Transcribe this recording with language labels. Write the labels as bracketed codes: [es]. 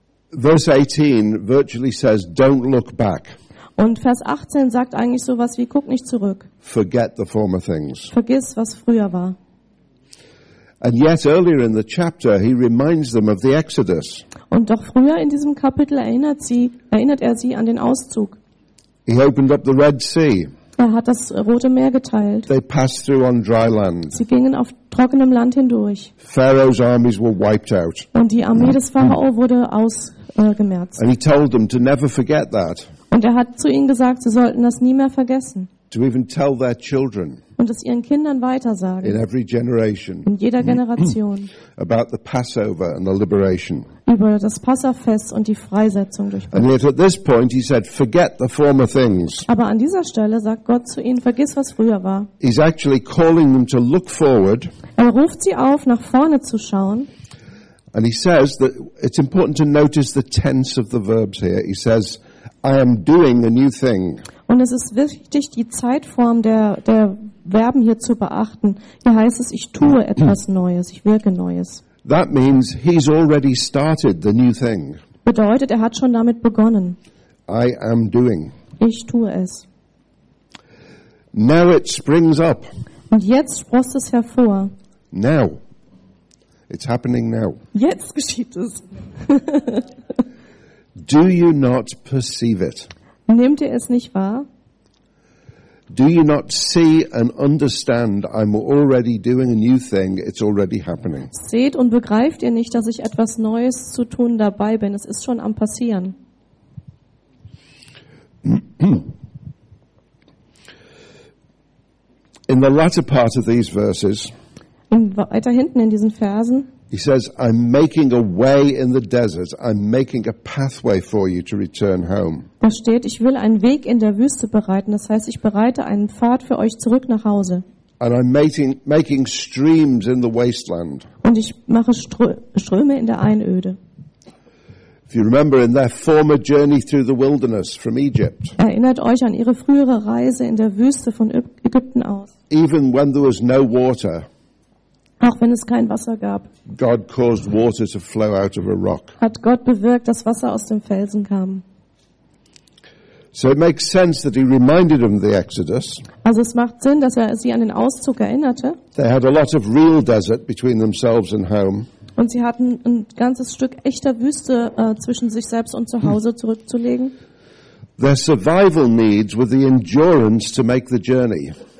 [en] Verse 18 virtually says, "Don't look back." [de] Und Vers 18 sagt eigentlich sowas wie, guck nicht zurück. [en] Forget the former things. [de] Vergiss, was früher war. [en] And yet earlier in the chapter he reminds them of the Exodus. [de] Und doch früher in diesem Kapitel erinnert er sie an den Auszug. [en] He opened up the Red Sea. [de] Er hat das Rote Meer geteilt. [en] They passed through on dry land. [de] Sie gingen auf trockenem Land hindurch. [en] Pharaoh's armies were wiped out. [de] Und die Armee des Pharao wurde ausgemerzt. [en] And he told them to never forget that. [de] Und er hat zu ihnen gesagt, sie sollten das nie mehr vergessen. [en] To even tell their children. [de] Und es ihren Kindern weitersagen. [en] In every generation. [de] In jeder Generation. [en] About the Passover and the liberation. [de] Über das Passafest und die Freisetzung durch Gott. [en] And yet at this point he said, forget the former things. [de] Aber an dieser Stelle sagt Gott zu ihnen, vergiss, was früher war. [en] He's actually calling them to look forward. [de] Er ruft sie auf, nach vorne zu schauen. [en] And he says that it's important to notice the tense of the verbs here. He says, I am doing a new thing. [de] Und es ist wichtig, die Zeitform der Verben hier zu beachten. Hier heißt es, ich tue etwas Neues, ich wirke Neues. [en] That means he's already started the new thing. [de] Bedeutet, er hat schon damit begonnen. [en] I am doing. [de] Ich tue es. [en] Now it springs up. [de] Und jetzt sprost es hervor. [en] Now. It's happening now. [de] Jetzt geschieht es. [en] Do you not perceive it? [de] Nehmt ihr es nicht wahr? [en] Do you not see and understand I'm already doing a new thing, it's already happening. [de] Seht und begreift ihr nicht, dass ich etwas Neues zu tun dabei bin, es ist schon am passieren. [en] In the latter part of these verses. [de] Weiter hinten in diesen Versen. [en] He says, I'm making a way in the desert. I'm making a pathway for you to return home. [de] Da steht, ich will einen Weg in der Wüste bereiten. Das heißt, ich bereite einen Pfad für euch zurück nach Hause. [en] And I'm making streams in the wasteland. [de] Und ich mache Ströme in der Einöde. [en] If you remember in their former journey through the wilderness from Egypt. [de] Erinnert euch an ihre frühere Reise in der Wüste von Ägypten aus. [en] Even when there was no water. [de] Auch wenn es kein Wasser gab. [en] God caused water to flow out of a rock. [de] Hat Gott bewirkt, dass Wasser aus dem Felsen kam. [en] So it makes sense that he reminded them of the Exodus. [de] Also es macht Sinn, dass er sie an den Auszug erinnerte. [en] They had a lot of real desert between themselves and home. [de] Und sie hatten ein ganzes Stück echter Wüste zwischen sich selbst und zu Hause zurückzulegen. [en] Their survival needs were the endurance to make the journey.